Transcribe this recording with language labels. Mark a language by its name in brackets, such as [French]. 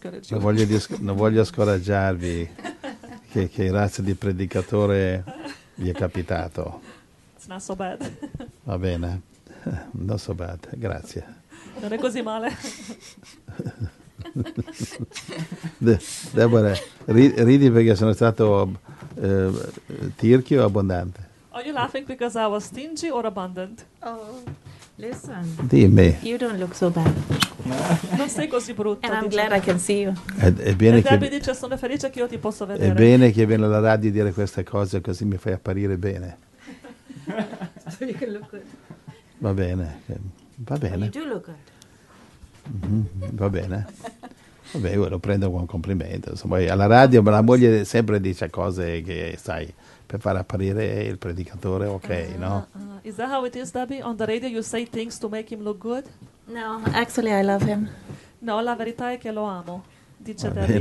[Italian] Non voglio scoraggiarvi che razza di predicatore vi è capitato. [English] It's not so bad. [Italian] Va bene? [English] Not so bad, [Italian] grazie. Non è così male. Deborah, ridi perché sono stato tirchio o abbondante? [English] Are you laughing because I was stingy or abundant? Oh, listen. [Italian] Dimmi. [English] You don't look so bad. [Italian] Non sei così brutta. [English] And I'm glad I can see you. [Italian] Debbie dice, sono felice che io ti posso vedere. È bene che viene alla radio a dire queste cose, così mi fai apparire bene. [English] So you can look good. [Italian] Va bene. Va bene. [English] You do look good. [Italian] Mm-hmm. Va bene. Vabbè, lo prendo con complimento. Insomma, alla radio la moglie sempre dice cose che, sai, per far apparire il predicatore, ok, no? [English] Is that how it is, Debbie? On the radio you say things to make him look good? No, actually I love him. [Italian] No, la verità è che lo amo, dice Debbie.